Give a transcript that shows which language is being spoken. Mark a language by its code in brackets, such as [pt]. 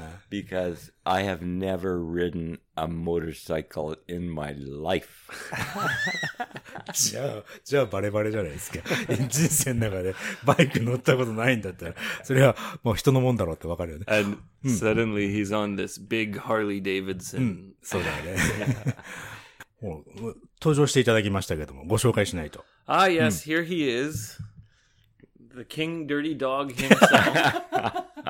[en] Because I have never ridden a motorcycle in my life. [ja] じゃあバレバレじゃないですか。人生の中でバイク乗ったことないんだったら、それはもう人のもんだろうってわかるよね。 [en] And suddenly he's on this big Harley Davidson. [ja] そうだよね。もう登場していただきましたけども、ご紹介しないと。 [en] Ah, yes, here he is. The King Dirty Dog himself.